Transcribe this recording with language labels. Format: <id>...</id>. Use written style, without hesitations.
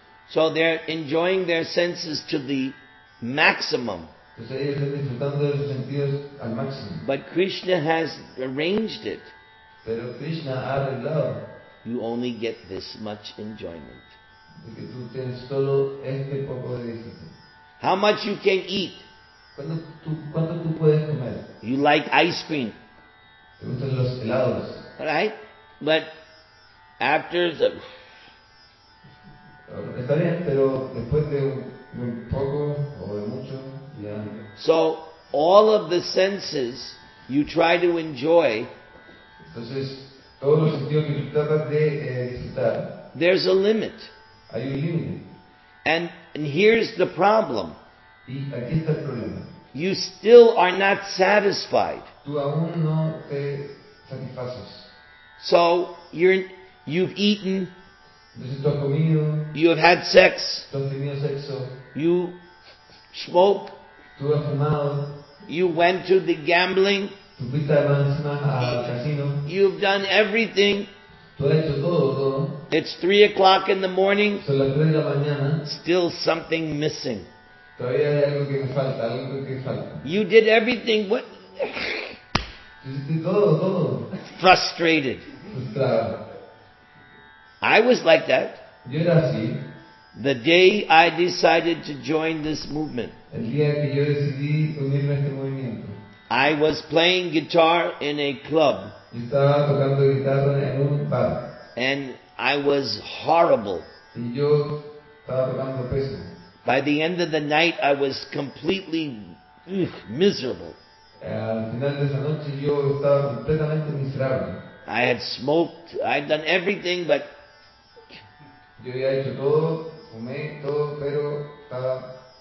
<en>So they're enjoying their senses to the maximum.</en> <es>Entonces, ellos están disfrutando de sus sentidos al máximo.</es> <en>But Krishna has arranged it.</en> <es>Pero Krishna ha arreglado.</es> <en>You only get this much enjoyment.</en> <es>Porque tú tienes solo este poco de disfrute.</es> <en>How much you can eat?</en> <es>¿Cuánto tú puedes comer?</es> <en>You like ice cream.</en> <es>¿Te gustan los helados?</es> <en>Right? But after the...</en> <es>Está bien, pero después de un poco o de mucho, ya...</es> <en>So, all of the senses you try to enjoy...</en> <es>Entonces, todos los sentidos que tú tratas de disfrutar...</es> <en>There's a limit.</en> <es>Hay un límite.</es> <en>And here's the problem.</en> <es>Y aquí está el problema.</es> <en>You still are not satisfied.</en> <es>Tú aún no te satisfaces.</es> <en>So, you've eaten...</en> <es>Comido,</es> <en>you have had sex.</en> <es>Sexo,</es> <en>you spoke.</en> <es>Tú has fumado,</es> <en>you went to the gambling.</en> <es>Tú fuiste al casino,</es> <en>you've done everything.</en> <es>Tú has hecho todo.</es> <en>It's 3 o'clock in the morning.</en> <es>Son las 3 de la mañana,</es> <en>still something missing.</en> <es>Todavía hay algo que me falta, algo que me falta.</es> <en>You did everything. What?</en> <es>Todo.</es> <en>Frustrated.</en> <es>Frustrado.</es> <en>I was like that.</en> <es>Yo era así.</es> <en>The day I decided to join this movement.</en> <es>El día que yo decidí unirme a este movimiento.</es> <en>I was playing guitar in a club.</en> <es>Yo estaba tocando guitarra en un bar.</es> <en>And I was horrible.</en> <es>Y yo estaba tocando pésimo.</es> <en>By the end of the night, I was completely miserable.</en> <es>Al final de esa noche, yo estaba completamente miserable.</es> <en>I had smoked. I'd done everything, but</en> <es>yo había hecho todo, fumé todo, pero estaba</es>